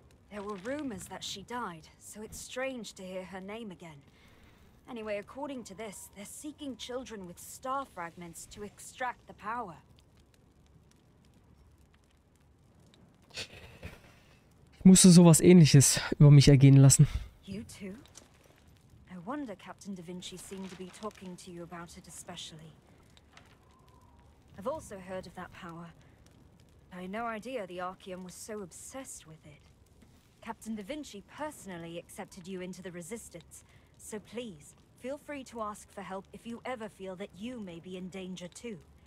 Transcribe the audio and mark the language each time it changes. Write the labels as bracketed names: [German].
[English] There were rumors that she died, so it's strange to hear her name again. Anyway, according to this, they're seeking children with star fragments to extract the power. [German] Ich musste sowas Ähnliches über mich ergehen lassen. [English] You too? I wonder Captain Da Vinci seemed to be talking to you about it especially. I've also heard of that power. I had no idea the Archeon was so obsessed with it. Captain Da Vinci personally accepted you into the Resistance, so please, feel free to ask for help if you ever feel that you may be in danger too.